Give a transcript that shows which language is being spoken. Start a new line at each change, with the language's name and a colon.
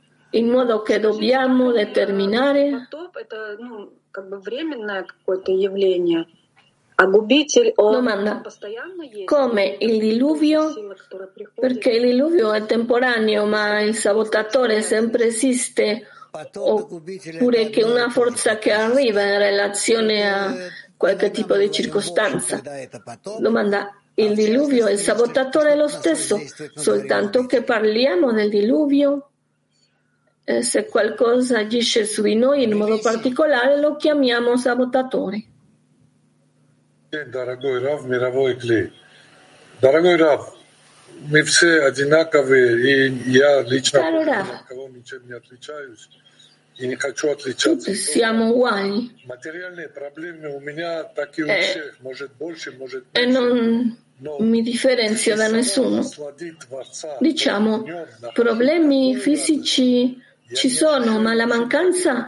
Italian: In modo che dobbiamo determinare. Domanda, come il diluvio, perché il diluvio è temporaneo, ma il sabotatore sempre esiste, oppure che una forza che arriva in relazione a qualche tipo di circostanza. Domanda, il diluvio e il sabotatore è lo stesso, soltanto che parliamo del diluvio, se qualcosa agisce su di noi in modo particolare lo chiamiamo sabotatore.
Russian: Дорогой Рав, мировой клей. Дорогой Рав, мы все одинаковые, и я лично никого ничем не отличаюсь, и не хочу отличаться. Материальные проблемы у меня, так и у всех, может больше, может меньше.
Italian: Mi differenzio da nessuno. Diciamo, problemi fisici ci sono, ma la mancanza...